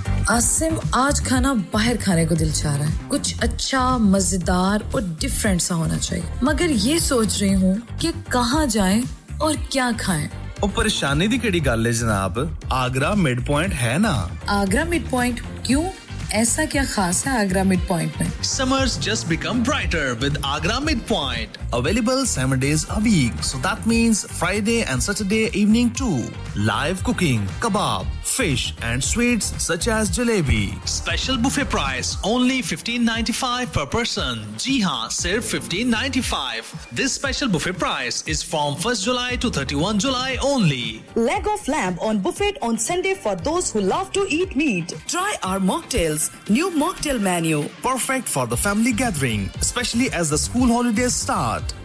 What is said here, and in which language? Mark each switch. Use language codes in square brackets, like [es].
[hi] आसिम आज खाना बाहर खाने को दिल चाह रहा है कुछ अच्छा मजेदार और डिफरेंट सा होना चाहिए मगर ये सोच रही हूं कि कहां जाएं और क्या खाएं [pa] ਉਹ ਪਰੇਸ਼ਾਨੀ ਦੀ ਕਿਹੜੀ ਗੱਲ ਹੈ ਜਨਾਬ ਆਗਰਾ ਮਿਡ ਪੁਆਇੰਟ ਹੈ ਨਾ [hi] ਆਗਰਾ ਮਿਡ ਪੁਆਇੰਟ ਕਿਉਂ ਐਸਾ ਕਿਆ ਖਾਸ ਹੈ ਆਗਰਾ ਮਿਡ ਪੁਆਇੰਟ ਮੈਂ [en] summers just become brighter with Agra mid point available 7 days a week so that means Friday and Saturday evening to live cooking kebab fish and sweets such as jalebi special buffet price only $15.95 per person [hi] ਜੀ ਹਾਂ ਸਿਰਫ [en] $15.95 this special buffet price is from 1st July to 31 July only leg of lamb on buffet on Sunday for those who love to eat meat try our mocktail New mocktail menu. Perfect for the family gathering, especially as the school holidays start.